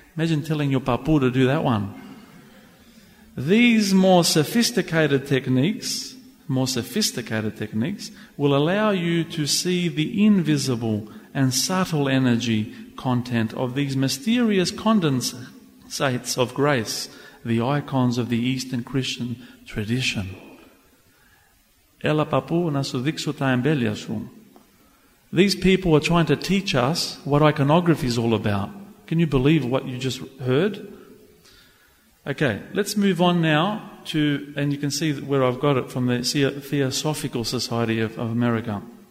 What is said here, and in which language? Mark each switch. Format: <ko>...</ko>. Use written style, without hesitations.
<en>Imagine telling your papu to do that one. These more sophisticated techniques more sophisticated techniques will allow you to see the invisible and subtle energy content of these mysterious condensates of grace, the icons of the Eastern Christian tradition.</en> <el>Έλα παππού να σου δείξω τα εμπέλεια σου.</el> <en>These people are trying to teach us what iconography is all about. Can you believe what you just heard? Okay, let's move on now to, and you can see where I've got it from, the Theosophical Society of America.</en>